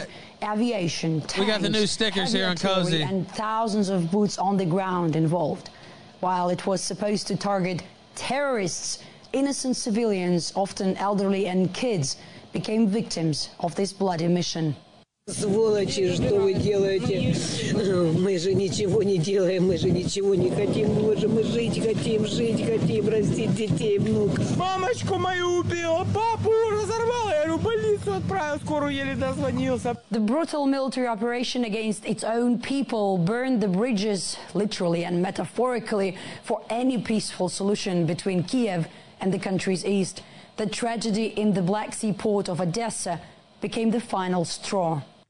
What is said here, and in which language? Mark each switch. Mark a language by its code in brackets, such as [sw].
[en] With aviation, tanks, we got the new stickers here on Cozy, and thousands of boots on the ground involved. While it was supposed to target terrorists, innocent civilians, often elderly and kids, became victims of this bloody mission. [ru] Сволочи, что вы делаете? Мы же ничего не делаем, мы же ничего не хотим. Боже, мы жить хотим, растить детей, внуков. Мамочку мою убил, папу разорвал, я в больницу отправил, скоро еле дозвонился. [en] The brutal military operation against its own people burned the bridges, literally and metaphorically, for any peaceful solution between Kiev and the country's east. The tragedy in the Black Sea port of Odessa became the final straw.